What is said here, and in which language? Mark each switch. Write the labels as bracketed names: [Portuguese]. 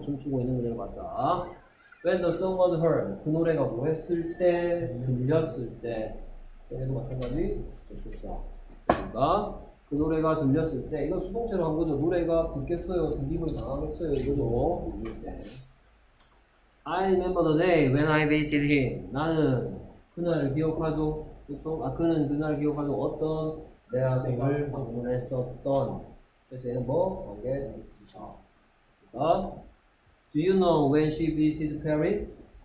[Korean] 춤추고 있는 그녀를 봤다. [English] When the song was heard. [Korean] 그 노래가 뭐 했을 때? 들렸을 때. 얘도 마찬가지. 좋습니다. 그러니까 그 노래가 들렸을 때 이건 수동태로 한 거죠. 노래가 듣겠어요, 들림을 당하겠어요, 이거죠. 네. [English] I remember the day when I visited him. [Korean] 나는 그날을 기억하죠. 그래서 아 그는 그날을 기억하죠. 어떤 내가 그걸 방문했었던. 그래서 얘는 뭐 관계 있죠. [English] 그러니까 Do you know when she visited Paris?